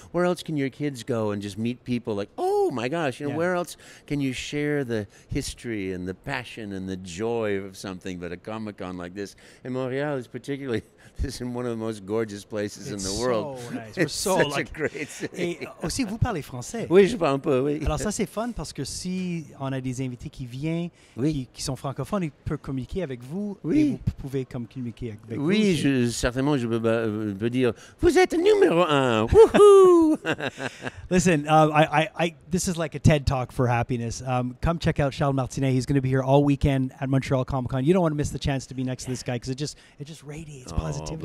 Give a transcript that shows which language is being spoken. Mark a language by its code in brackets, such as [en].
[en] Where else can your kids go and just meet people like, oh my gosh, you know, where else can you share the history and the passion and the joy of something but a Comic-Con like this? And Montreal is particularly, this is one of the most gorgeous places it's in the world. So nice. It's we're so such a great city. [fr] Et aussi, vous parlez français. Oui, je parle un peu, oui. Alors ça, c'est fun parce que si on a des invités qui viennent, qui sont francophones, ils peuvent communiquer avec vous et vous pouvez communiquer avec vous. Oui, certainement, je peux dire, vous êtes numéro un. Woohoo! [en] Listen, I this is like a TED Talk for happiness. Come check out Charles Martinet. He's going to be here all weekend at Montreal Comic Con. You don't want to miss the chance to be next to this guy because it just radiates positive.